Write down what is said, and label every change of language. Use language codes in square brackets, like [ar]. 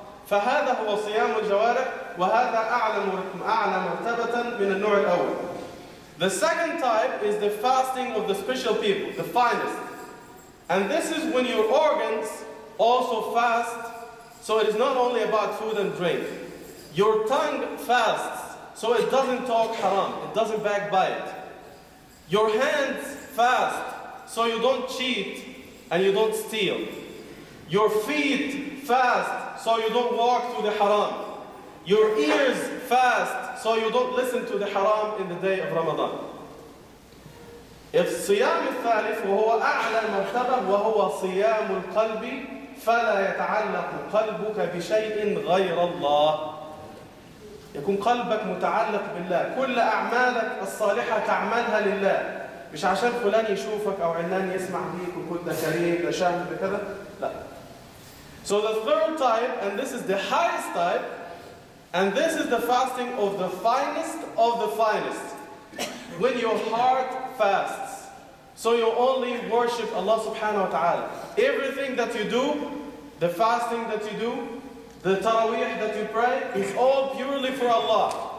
[ar] فهذا هو صيام الجوارح، وهذا أعلى مرتبة من النوع الأول. [en] The second type is the fasting of the special people, the finest. And this is when your organs also fast, so it is not only about food and drink. Your tongue fasts, so it doesn't talk haram, it doesn't backbite. Your hands fast, so you don't cheat and you don't steal. Your feet fast, so you don't walk to the haram. Your ears fast, so you don't listen to the haram in the day of Ramadan. If [ar] صيام الثالث وهو أعلى مرتبة وهو صيام القلب فلا يتعلق قلبك بشيء غير الله. يكون قلبك متعلق بالله، كل أعمالك الصالحة تعملها لله، مش عشان فلان يشوفك أو علان يسمع بيك وكنت كريم لشاهد بكذا، لا. [en] So the third type, and this is the highest type, and this is the fasting of the finest of the finest. When your heart fasts, so you only worship Allah subhanahu wa ta'ala. Everything that you do, the fasting that you do, the taraweeh that you pray, is all purely for Allah.